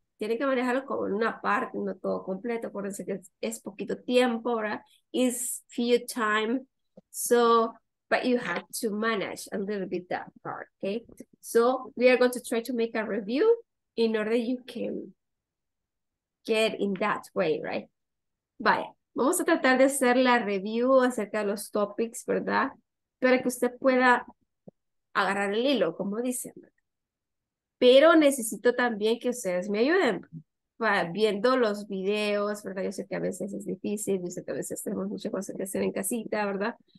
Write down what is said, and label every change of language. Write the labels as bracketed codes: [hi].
[es] Tiene que manejarlo como una parte, no todo completo. Por eso que es poquito tiempo, ¿verdad? [en] Is few time. So, but you have to manage a little bit that part, okay? So we are going to try to make a review in order you can get in that way, right? [es] Vaya, vamos a tratar de hacer la review acerca de los topics, ¿verdad? Para que usted pueda agarrar el hilo, como dicen. Pero necesito también que ustedes me ayuden viendo los videos, ¿verdad? Yo sé que a veces es difícil, yo sé que a veces tenemos muchas cosas que hacer en casita, ¿verdad?